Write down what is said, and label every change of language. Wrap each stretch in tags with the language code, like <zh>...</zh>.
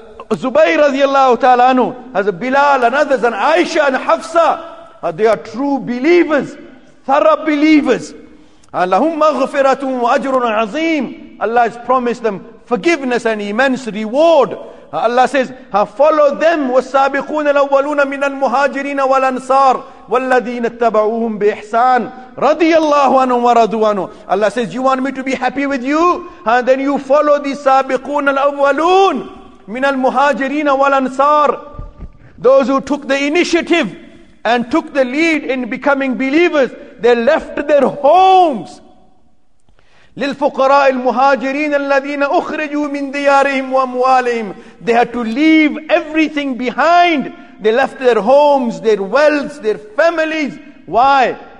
<en>Zubayr radiallahu ta'ala anhu, has a Bilal and others, and Aisha and Hafsa. They are true believers, thorough believers.</en> <ar>Lahum maghfiratun wa ajrun azim.</ar> <en>Allah has promised them forgiveness and immense reward. Allah says, follow them,</en> <ar>والسابقون الأولون من المهاجرين والأنصار والذين اتبعوهم بإحسان رضي الله عنهم ورضوا عنه.</ar> <en>Allah says, you want me to be happy with you? Then you follow the</en> <ar>سابقون الأولون من المهاجرين والأنصار.</ar> <en>Those who took the initiative and took the lead in becoming believers, they left their homes.</en> <ar>للفقراء المهاجرين الذين أخرجوا من ديارهم وأموالهم.</ar> <en>They had to leave everything behind. They left their homes, their wealth, their families. Why?</en>